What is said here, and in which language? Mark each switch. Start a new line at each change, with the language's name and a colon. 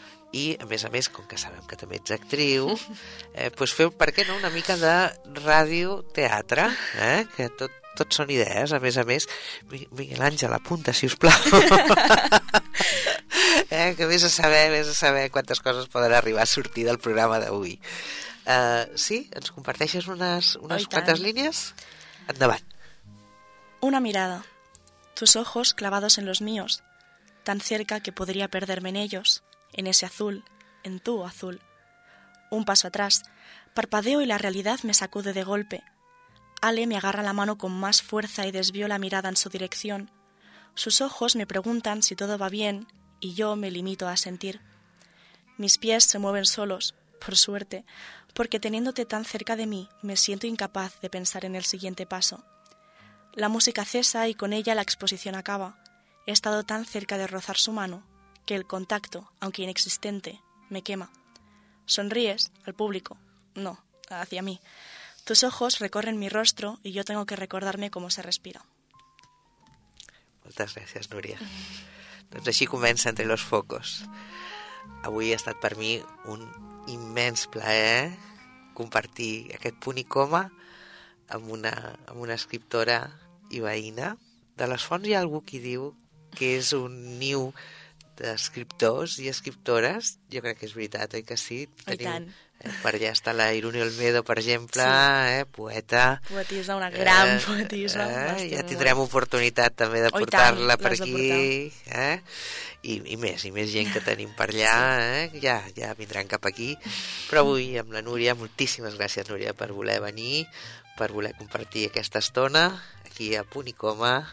Catalan: I, a més, com que sabem que també ets actriu, doncs feu, per què no, una mica de radioteatre, que tot són idees, a més, Miguel Àngel, apunta, si us plau. que vés a saber quantes coses poden arribar a sortir del programa d'avui. Sí, ens comparteixes unes quantes línies? Endavant.
Spanish: Una mirada. Tus ojos clavados en los míos, tan cerca que podría perderme en ellos. En ese azul, en tu azul. Un paso atrás, parpadeo y la realidad me sacude de golpe. Ale me agarra la mano con más fuerza y desvío la mirada en su dirección. Sus ojos me preguntan si todo va bien y yo me limito a sentir. Mis pies se mueven solos, por suerte, porque teniéndote tan cerca de mí me siento incapaz de pensar en el siguiente paso. La música cesa y con ella la exposición acaba. He estado tan cerca de rozar su mano que el contacto, aunque inexistente, me quema. Sonríes al público. No, hacia mí. Tus ojos recorren mi rostro y yo tengo que recordarme cómo se respira.
Catalan: Moltes gràcies, Núria. Doncs així comença Entre los Focos. Avui ha estat per mi un immens plaer compartir aquest punt i coma amb una escriptora i veïna. De les fonts hi ha algú qui diu que és un niu d'escriptors i escriptores. Jo crec que és veritat, oi que sí? Teniu, tant. Per allà està la Irune Olmedo, per exemple, sí. Poeta. Poetisa, una gran poetisa. Ja tindrem oportunitat també de portar-la per aquí. I més gent que tenim per allà, ja vindran cap aquí. Però avui amb la Núria, moltíssimes gràcies, Núria, per voler venir, per voler compartir aquesta estona aquí a Punt i Coma.